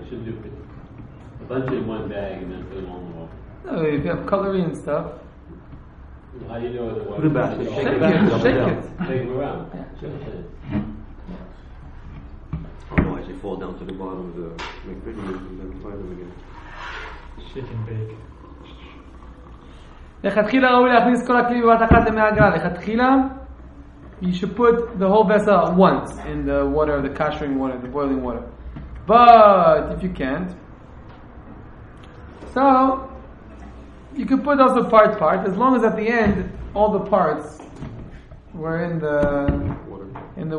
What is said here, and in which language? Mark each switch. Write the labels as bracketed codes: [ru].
[en] You shouldn't do a bunch in one bag and then put them all in the water. No, if you have cutlery and stuff. Well, how do you know the water? Put it back. Shake it. Shake it around. Yeah. They fall down to the bottom of the McDonald's and then find them again. Shake and bake. [he] לכתחילה ראוי להכניס כל הכלים בבת אחת למאה גרל. [en] לכתחילה, you should put the whole vessel once in the water, the kashering water, the boiling water. But if you can't, so you could put also part, as long as at the end all the parts were in the